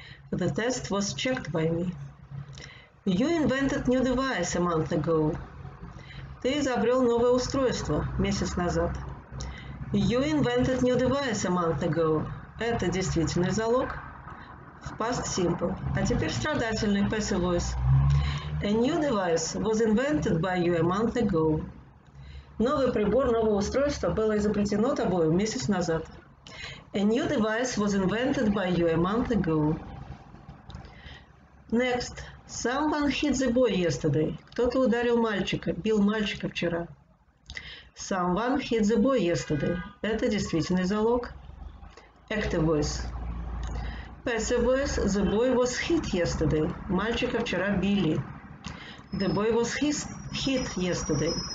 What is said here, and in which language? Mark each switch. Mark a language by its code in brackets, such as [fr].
[en] The test was checked by me. You invented new device a month ago. [ru] Ты изобрел новое устройство месяц назад. [en] You invented new device a month ago. [ru] Это действительный залог. В past simple. А теперь страдательный passive voice. [en] A new device was invented by you a month ago. [ru] Новый прибор, новое устройство было изобретено тобой месяц назад. [en] A new device was invented by you a month ago. Next. Someone hit the boy yesterday. [ru] Кто-то ударил мальчика, бил мальчика вчера. [en] Someone hit the boy yesterday. [ru] Это действительный залог. [en] Active voice. Passive voice. The boy was hit yesterday. [ru] Мальчика вчера били. [en] The boy was hit yesterday.